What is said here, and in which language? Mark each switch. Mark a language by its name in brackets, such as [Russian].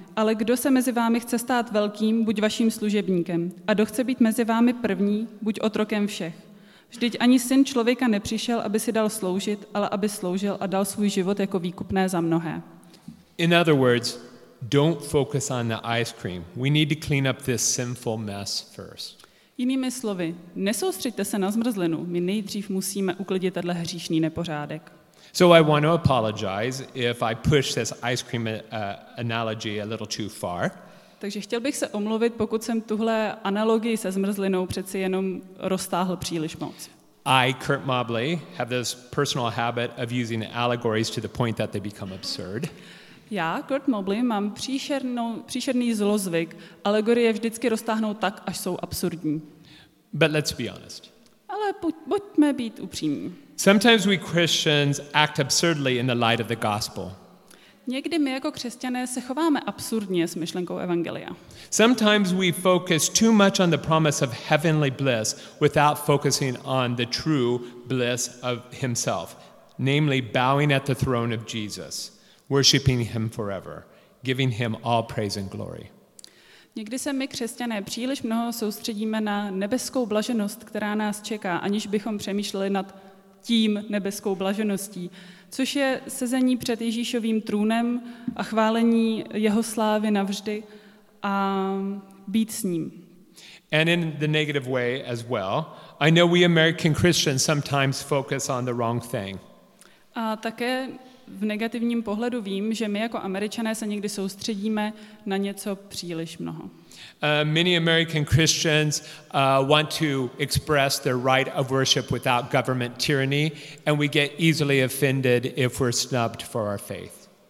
[Czech] Ale kdo se mezi vámi chce stát velkým, buď vaším služebníkem. A kdo chce být mezi vámi první, buď otrokem všech. Vždyť ani Syn člověka nepřišel, aby si dal sloužit, ale aby sloužil a dal svůj život jako výkupné za mnohé. [English] In other words, don't focus on the ice cream. We need to clean up this sinful mess first. [Czech] Jinými slovy, nesoustřeďte se na zmrzlinu. My nejdřív musíme uklidit tenhle hříšný nepořádek. [English] So I want to apologize if I push this ice cream analogy a little too far. [Czech] Takže chtěl bych se omluvit, pokud jsem tuhle analogii se zmrzlinou přeci jenom roztáhl příliš moc. [English] I, Kurt Mobley, have this personal habit of using allegories to the point that they become absurd. [Czech] Já, Kurt Mobley, mám příšerný zlozvyk, alegorie vždycky roztáhnou tak, až jsou absurdní. [English] But let's be honest. [Czech] Ale buďme být upřímní. [English] Sometimes we Christians act absurdly in the light of the gospel. [Czech] Někdy my jako křesťané se chováme absurdně s myšlenkou evangelia. [English] Sometimes we focus too much on the promise of heavenly bliss without focusing on the true bliss of himself, namely bowing at the throne of Jesus, worshiping him forever, giving him all praise and glory. [Czech] Někdy se my křesťané příliš mnoho soustředíme na nebeskou blaženost, která nás čeká, aniž bychom přemýšleli nad tím nebeskou blažeností, což je sezení před Ježíšovým trůnem a chválení jeho slávy navždy a být s ním. [English] And in the negative way as well, I know we American Christians sometimes focus on the wrong thing. [Czech] A také v negativním pohledu vím, že my jako Američané se někdy soustředíme na něco příliš mnoho. [English] Many American Christians want to express their right of worship without government tyranny, and we get easily offended if we're snubbed for our faith.